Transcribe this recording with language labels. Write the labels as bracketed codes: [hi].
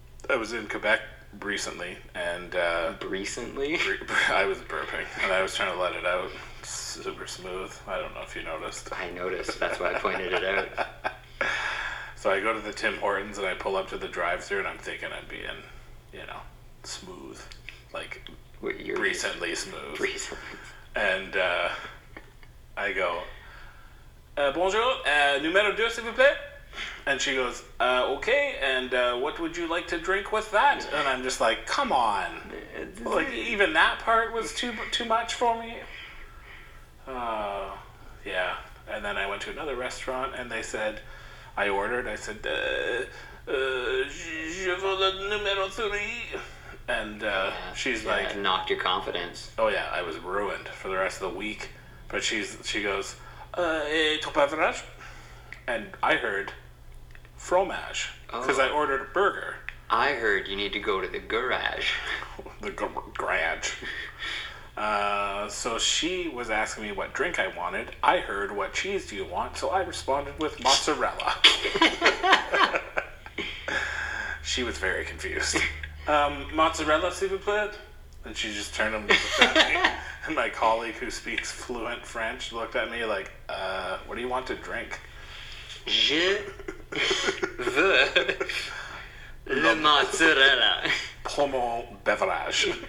[en] I was in Quebec recently, and... I was burping, and I was trying to let it out super smooth. I don't know if you noticed. I noticed. That's why I pointed it out. So I go to the Tim Hortons, and I pull up to the drive-thru, and I'm thinking I'm being, you know, smooth. Like... recently smooth. And I go, [fr] bonjour, numéro deux, s'il vous plaît. [en] And she goes, okay, and what would you like to drink with that? And I'm just like, come on. Like, even that part was too much for me. Yeah. And then I went to another restaurant, and they said, I ordered. I said, [fr] je veux le numéro [en] three. And she's like... Knocked your confidence. Oh, yeah. I was ruined for the rest of the week. But she goes, topavrage. And I heard fromage. Because I ordered a burger. I heard you need to go to the garage. The garage. So she was asking me what drink I wanted. I heard, what cheese do you want? So I responded with mozzarella. She was very confused. [fr] Mozzarella, s'il vous plaît. [en] And she just turned and looked at me. And my colleague, who speaks fluent French, looked at me like, what do you want to drink? [fr] Je veux le mozzarella. [en] Pommon beverage.